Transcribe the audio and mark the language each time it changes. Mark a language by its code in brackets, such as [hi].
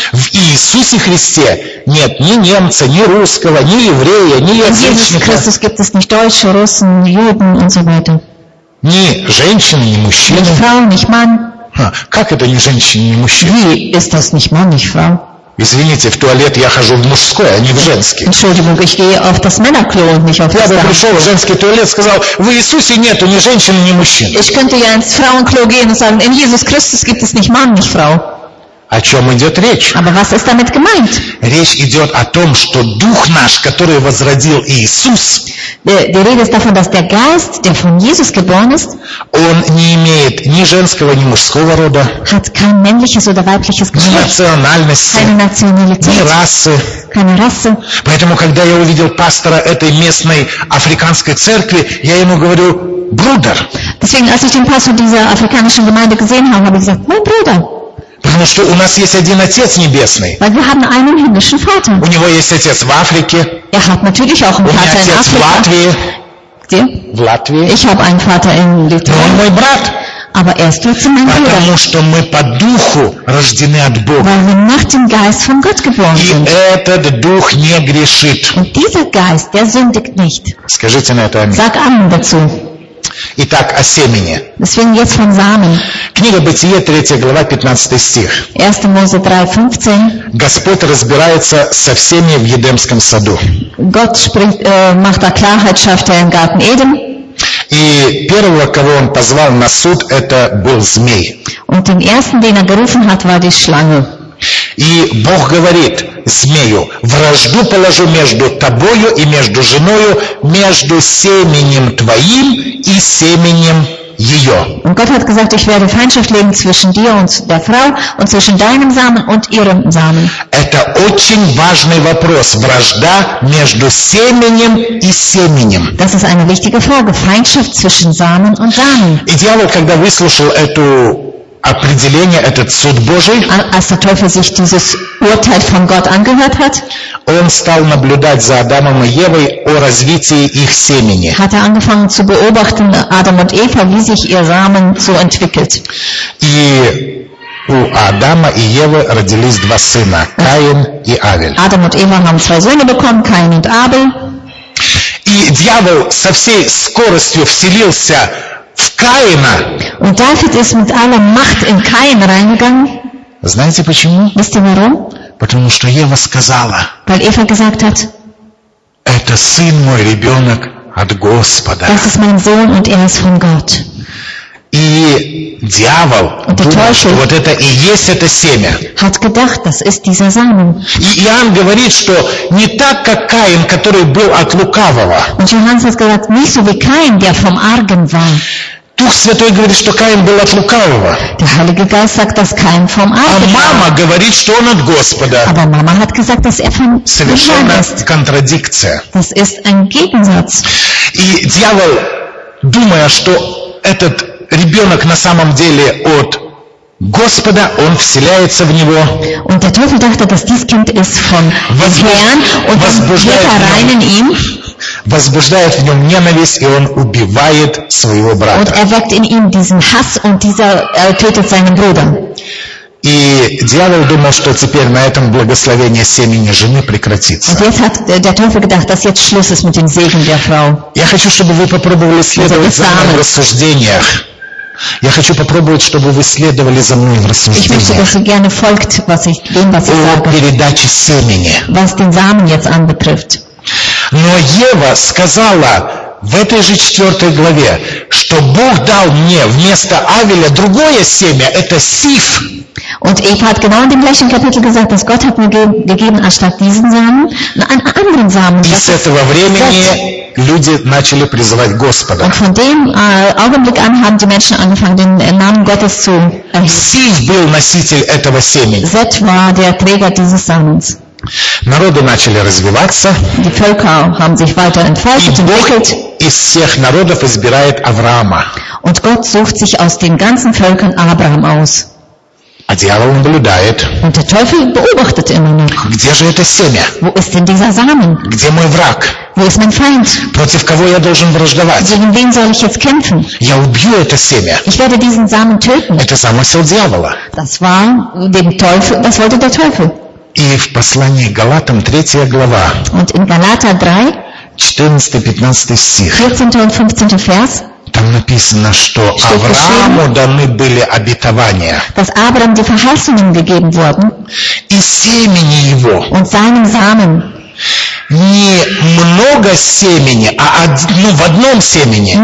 [ru] В Иисусе Христе нет ни немца, ни русского, ни еврея, ни язычника. [de] In Jesus Christus gibt es nicht Deutsche, Russen, Juden und so weiter. [ru] Ни женщины, ни мужчины. [de] Nicht Frau, nicht Mann. [ru] Как это ни женщины, ни мужчины? [de] Wie ist das nicht Mann, nicht Frau? [ru] Извините, в туалет я хожу в мужской, а не в женский. [de] Entschuldigung, ich gehe auf das Männerklo und nicht auf das Damen. [ru] Я бы пришел в женский туалет, сказал, в Иисусе нету ни женщины, ни мужчины. [de] Ich könnte ja ins Frauenklo gehen und sagen, in Jesus Christus gibt es nicht Mann, nicht Frau. [ru] О чем идет речь? [de] Aber was ist damit gemeint? [ru] Речь идет о том, что дух наш, который возродил Иисус, [de] die Rede ist davon, dass der Geist, der von Jesus geboren ist, [ru] он не имеет ни женского, ни мужского рода, [de] hat kein männliches oder weibliches Geschlecht, [ru] ни национальности, [de] keine Nationalität, [ru] ни расы. [de] Keine Rasse. [ru] Поэтому, когда я увидел пастора этой местной африканской церкви, я ему говорю, [de] Bruder. Deswegen, als ich den Pastor dieser afrikanischen Gemeinde gesehen habe, habe ich gesagt, mein Bruder. [ru] Потому что у нас есть один Отец Небесный. [de] Weil wir haben einen himmlischen Vater. [ru] У него есть Отец в Африке. [de] Er hat natürlich auch einen [ru] у меня [de] Vater [ru] Отец [de] in [ru] в Латвии. Где? В Латвии. [de] Ich habe einen Vater in Litauen. [ru] Но он мой брат. [de] Aber er ist trotzdem mein Bruder. [ru] Потому что мы по духу рождены от Бога. [de] Weil wir nach dem Geist von Gott geboren [ru] и [de] sind. [ru] Этот дух не грешит. [de] Und dieser Geist, der sündigt nicht. [ru] Скажите на это аминь. [de] Sag Amen dazu. [ru] Итак, о семени. [de] Deswegen jetzt von Samen. [ru] Книга Бытие, 3 глава, 15 стих. [de] 1 Mose 3, 15. [ru] Господь разбирается со всеми в Едемском саду. [de] Gott spricht, macht da Klarheit, schafft er im Garten Eden. [ru] И первого, кого он позвал на суд, это был змей. [de] Und den ersten, den er gerufen hat, war die Schlange. [ru] И Бог говорит змею, вражду положу между тобою и между женою, между семенем твоим и семенем ее. [de] Und Gott hat gesagt, ich werde Feindschaft legen zwischen dir und der Frau und zwischen deinem Samen und ihrem Samen. [ru] Это очень важный вопрос, вражда между семенем и семенем. [de] Das ist eine wichtige Frage, Feindschaft zwischen Samen und Samen. [ru] И дьявол, когда выслушал эту определение, этот суд Божий, он стал наблюдать за Адамом и Евой о развитии их семени. [de] Hat er angefangen zu beobachten, Adam und Eva, wie sich ihr Samen so entwickelt. [ru] И у Адама и Евы родились два сына, Каин и Авель. [de] Adam und Eva haben zwei Söhne bekommen, Cain und Abel. [ru] И дьявол со всей скоростью вселился в Каина. [de] Und David ist mit aller Macht in Cain reingegangen. [ru] Знаете почему? [de] Wisst ihr warum? [ru] Потому что Ева сказала. [de] Weil Eva gesagt hat. [ru] Это сын мой, ребенок от Господа. [de] Das ist mein Sohn und er ist von Gott. [ru] И дьявол думал, что вот это и есть это семя. [de] Hat gedacht, das ist dieser Samen. [ru] И Иоанн говорит, что не так, как Каин, который был от лукавого. [de] Und Johannes hat gesagt, nicht so wie Kain, der vom Argen war. [ru] Дух Святой говорит, что Каин был от лукавого. [de] Der Heilige Geist sagt, dass Kain vom Argen war. [ru] А мама говорит, что он от Господа. [de] Aber Mama hat gesagt, dass er von Gott ist. [ru] Совершенно контрадикция. [de] Das ist ein Gegensatz. [ru] И дьявол, думая, что этот ребенок на самом деле от Господа, он вселяется в него. [de] Und der Teufel dachte, dass dieses Kind ist von Herrn und wird rein in ihm. [ru] Возбуждает в нем ненависть, и он убивает своего брата. [de] Und erweckt in ihm diesen Hass und dieser tötet seinen Bruder. [ru] И дьявол думал, что теперь на этом благословение семени жены прекратится. Я хочу, чтобы вы попробовали следовать за мной в рассуждениях. Я хочу попробовать, чтобы вы следовали за мной в рассуждениях. О передаче семени. Но Ева сказала в этой же 4 главе, что Бог дал мне вместо Авеля другое семя, это Сиф. [de] Und Eva hat genau in dem gleichen Kapitel gesagt, dass Gott hat mir gegeben, anstatt diesen Samen, einen anderen Samen. [ru] И с этого времени люди начали призывать Господа. [de] Und von dem Augenblick an haben die Menschen angefangen, den Namen Gottes zu erheben. [ru] Сиф был носитель этого семени. [de] Seth war der Träger dieses Samens. [ru] Народы начали развиваться. [de] Die Völker haben sich weiter entfaltet und entwickelt. [ru] Из всех народов избирает Авраама. [de] Und Gott sucht sich aus den ganzen Völkern Abraham aus. [ru] А дьявол наблюдает. [de] Und der Teufel beobachtet immer noch. [ru] Где же это семя? [de] Wo ist denn dieser Samen? [ru] Где мой враг? [de] Wo ist mein Feind? [ru] Против кого я должен враждовать? [de] Gegen wen soll ich jetzt kämpfen? [ru] Я убью это семя. [de] Ich werde diesen Samen töten. [ru] Это замысел дьявола. [de] Das war dem Teufel, das wollte der Teufel. [ru] И в послании Галатам 3 глава. [de] Und in Galater 3. [ru] 14-15 стих. [de] 14 und 15 Vers. [ru] Там написано, что Аврааму даны были обетования. [de] Dass Abraham die Verheißungen gegeben wurden. [ru] И семени его. [de] Und seinem Samen. [ru] Не много семени, а в одном семени.